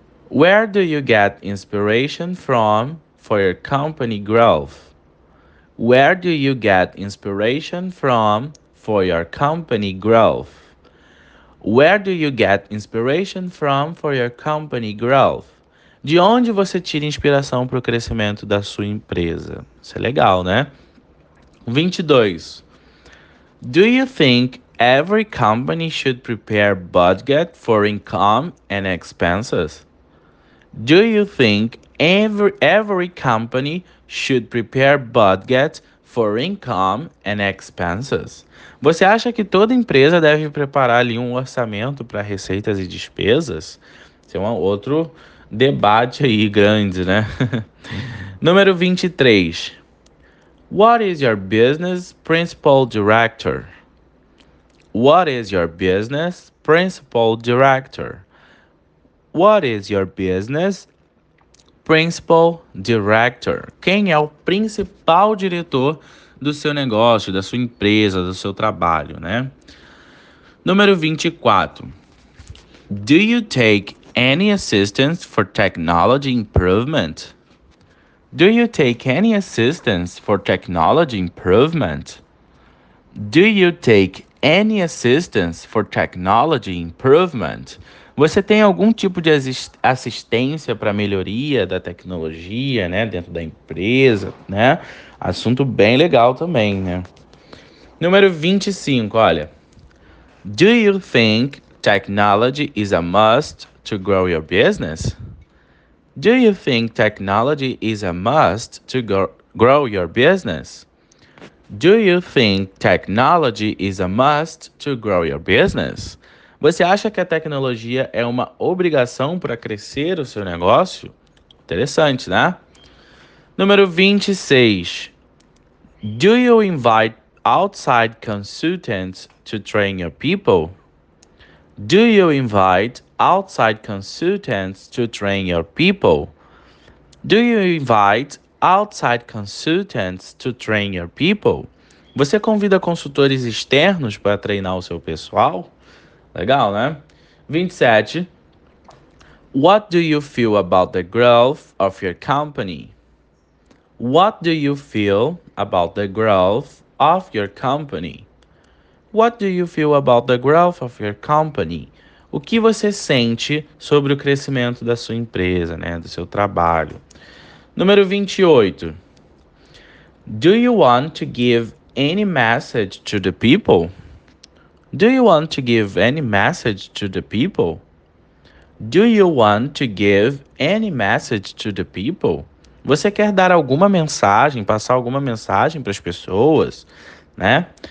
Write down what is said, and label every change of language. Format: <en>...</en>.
<en>Where do you get inspiration from for your company growth? Where do you get inspiration from for your company growth? Where do you get inspiration from for your company growth?</en> <pt>De onde você tira inspiração para o crescimento da sua empresa? Isso é legal, né? 22.</pt> <en>Do you think every company should prepare budget for income and expenses? Do you think every company should prepare budget for income and expenses?</en> <pt>Você acha que toda empresa deve preparar ali um orçamento para receitas e despesas? Isso é um outro debate aí grande, né? Número 23.</pt> <en>What is your business principal director? What is your business principal director? What is your business principal director?</en> <pt>Quem é o principal diretor do seu negócio, da sua empresa, do seu trabalho, né? Número 24.</pt> <en>Do you take any assistance for technology improvement? Do you take any assistance for technology improvement? Do you take any assistance for technology improvement?</en> <pt>Você tem algum tipo de assistência para melhoria da tecnologia, né, dentro da empresa, né? Assunto bem legal também, né? Número 25, olha.</pt> <en>Do you think technology is a must to grow your business? Do you think technology is a must to grow your business? Do you think technology is a must to grow your business?</en> <pt>Você acha que a tecnologia é uma obrigação para crescer o seu negócio? Interessante, né? Número 26.</pt> <en>Do you invite outside consultants to train your people? Do you invite outside consultants to train your people? Do you invite outside consultants to train your people?</en> <pt>Você convida consultores externos para treinar o seu pessoal? Legal, né? 27.</pt> <en>What do you feel about the growth of your company? What do you feel about the growth of your company? What do you feel about the growth of your company?</en> <pt>O que você sente sobre o crescimento da sua empresa, né? Do seu trabalho. Número 28.</pt> <en>Do you want to give any message to the people? Do you want to give any message to the people? Do you want to give any message to the people?</en> <pt>Você quer dar alguma mensagem, passar alguma mensagem para as pessoas, né?</pt>